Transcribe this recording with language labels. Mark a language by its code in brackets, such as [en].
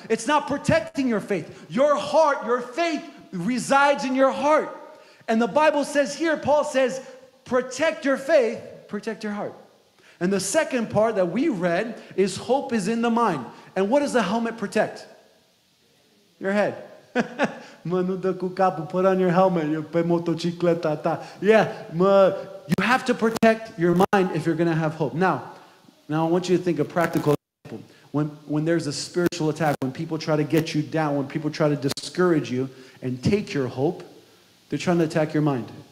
[en] It's not protecting your faith. Your heart, your faith resides in your heart. And the Bible says here, Paul says, protect your faith, protect your heart. And the second part that we read is hope is in the mind. And what does the helmet protect? Your head. [ro] Mă, nu dă cu capul, [en] put on your helmet, you're [ro] pe motocicleta ta. [en] Yeah, mă. You have to protect your mind if you're going to have hope. Now I want you to think of practical example. When there's a spiritual attack, when people try to get you down, when people try to discourage you and take your hope, they're trying to attack your mind.